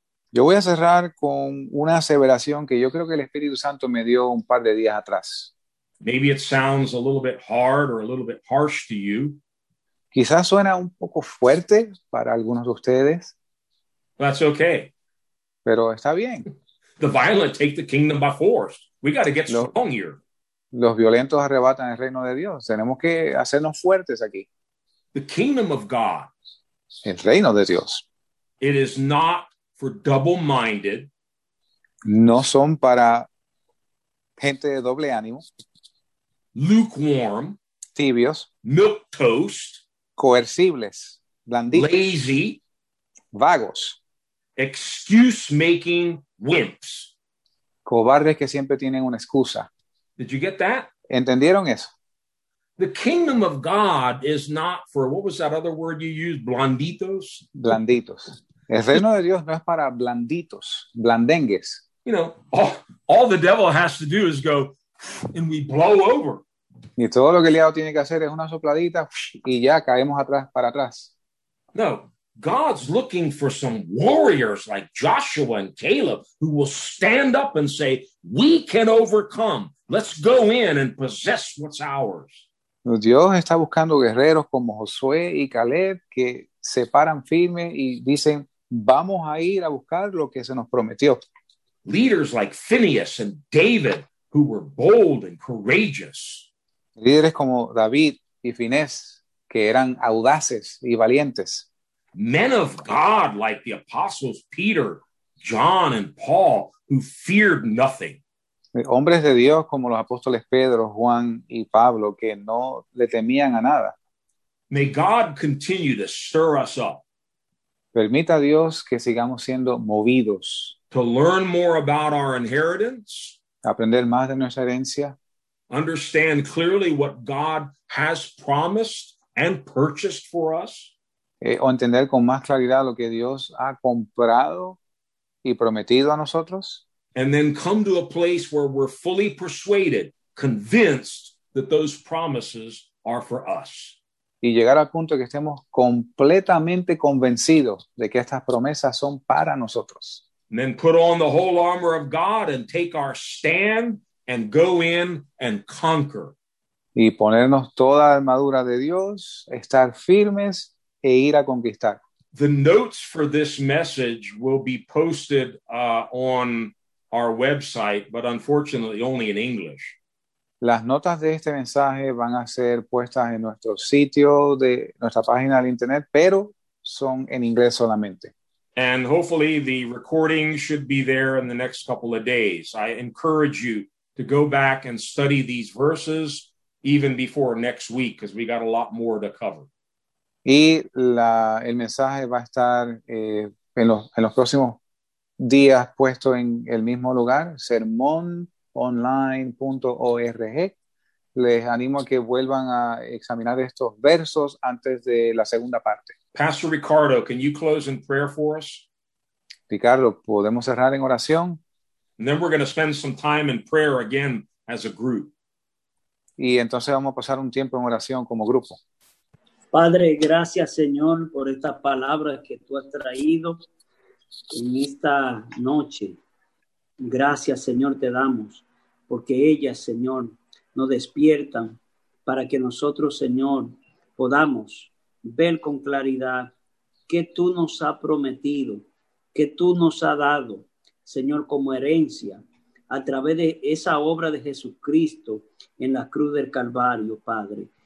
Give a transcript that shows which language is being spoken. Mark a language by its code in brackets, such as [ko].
[es] Yo voy a cerrar con una aseveración que yo creo que el Espíritu Santo me dio un par de días atrás. [en] Maybe it sounds a little bit hard or a little bit harsh to you. [es] Quizás suena un poco fuerte para algunos de ustedes. [en] That's okay. [es] Pero está bien. [en] The violent take the kingdom by force. We got to get strong here. [es] Los violentos arrebatan el reino de Dios. Tenemos que hacernos fuertes aquí. [en] The kingdom of God. [es] El reino de Dios. [en] It is not for double-minded. [es] No son para gente de doble ánimo. [en] Lukewarm. [es] Tibios. [en] Milquetoast. [es] Coercibles. Blanditos. [en] Lazy. [es] Vagos. [en] Excuse-making wimps. [es] Cobardes que siempre tienen una excusa. [en] Did you get that? [es] ¿Entendieron eso? [en] The kingdom of God is not for, what was that other word you used? [es] Blanditos? Blanditos. El reino de Dios no es para blanditos, blandengues. [en] You know, all the devil has to do is go, and we blow over. [es] Y todo lo que el diablo tiene que hacer es una sopladita, y ya caemos atrás, para atrás. [en] No, God's looking for some warriors like Joshua and Caleb who will stand up and say, we can overcome. Let's go in and possess what's ours. [es] Dios está buscando guerreros como Josué y Caleb que se paran firme y dicen, vamos a ir a buscar lo que se nos prometió. [en] Leaders like Phineas and David, who were bold and courageous. [es] Líderes como David y Phineas, que eran audaces y valientes. [en] Men of God like the apostles Peter, John, and Paul, who feared nothing. [es] Hombres de Dios como los apóstoles Pedro, Juan y Pablo, que no le temían a nada. [en] May God continue to stir us up. [es] Permita a Dios que sigamos siendo movidos. [en] To learn more about our inheritance. [es] Aprender más de nuestra herencia. [en] Understand clearly what God has promised and purchased for us. [es] O entender con más claridad lo que Dios ha comprado y prometido a nosotros. [en] And then come to a place where we're fully persuaded, convinced that those promises are for us. [es] Y llegar al punto que estemos completamente convencidos de que estas promesas son para nosotros. [en] And then put on the whole armor of God and take our stand and go in and conquer. [es] Y ponernos toda la armadura de Dios, estar firmes e ir a conquistar. [en] The notes for this message will be posted on our website, but unfortunately only in English. [es] Las notas de este mensaje van a ser puestas en nuestro sitio de nuestra página de internet, pero son en inglés solamente. [en] And hopefully the recording should be there in the next couple of days. I encourage you to go back and study these verses even before next week, because we got a lot more to cover. [es] Y el mensaje va a estar en los próximos días puesto en el mismo lugar, sermononline.org. Les animo a que vuelvan a examinar estos versos antes de la segunda parte. [en] Pastor Ricardo, can you close in prayer for us? [es] Ricardo, ¿podemos cerrar en oración? [en] And then we're going to spend some time in prayer again as a group. [es] Y entonces vamos a pasar un tiempo en oración como grupo. Padre, gracias, Señor, por estas palabras que tú has traído en esta noche. Gracias, Señor, te damos, porque ellas, Señor, nos despiertan para que nosotros, Señor, podamos ver con claridad que tú nos has prometido, que tú nos has dado, Señor, como herencia a través de esa obra de Jesucristo en la cruz del Calvario, Padre.